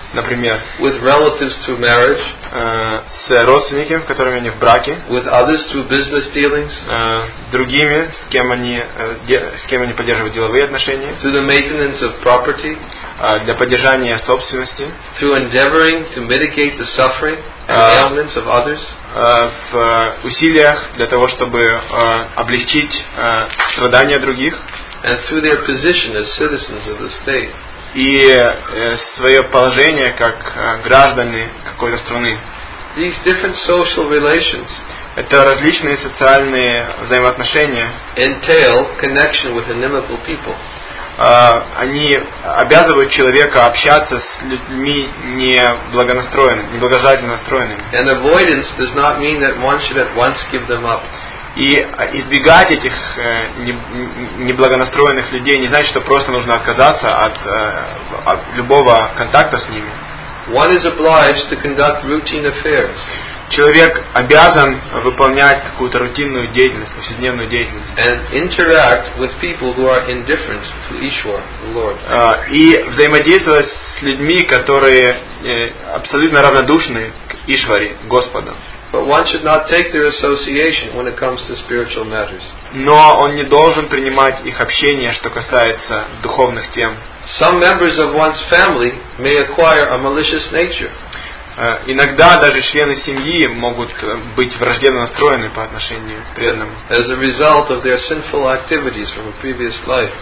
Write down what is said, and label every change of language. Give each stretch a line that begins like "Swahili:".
Russian: например,
English: with relatives through marriage,
Russian: с родственниками, которыми они в браке,
English: with others through business dealings,
Russian: другими, с кем они поддерживают деловые отношения,
English: through the maintenance of property,
Russian: для поддержания собственности,
English: through endeavoring to mitigate the suffering and ailments of others,
Russian: в усилиях для того, чтобы облегчить страдания других,
English: and through their position as citizens of the state.
Russian: И свое положение как граждане какой-то страны.
English: These different social relations,
Russian: это различные социальные взаимоотношения,
English: entail connection with inimical people.
Russian: Они обязывают человека общаться с людьми неблагонастроенными, неблагожелательно настроенными.
English: And avoidance does not mean that one should at once give them up.
Russian: И избегать этих неблагонастроенных людей не значит, что просто нужно отказаться от любого контакта с ними.
English: One is obliged to conduct routine affairs.
Russian: Человек обязан выполнять какую-то рутинную деятельность, повседневную деятельность.
English: And interact with people who are indifferent to Ishwar, the Lord.
Russian: И взаимодействовать с людьми, которые абсолютно равнодушны к Ишваре, Господу.
English: But one should not take their association when it comes to spiritual matters.
Russian: Но он не должен принимать их общение, что касается духовных тем.
English: Some members of one's family may acquire a malicious nature.
Russian: Иногда даже члены семьи могут быть враждебно настроены по отношению к преданным.
English: As a result of their sinful activities from a previous life.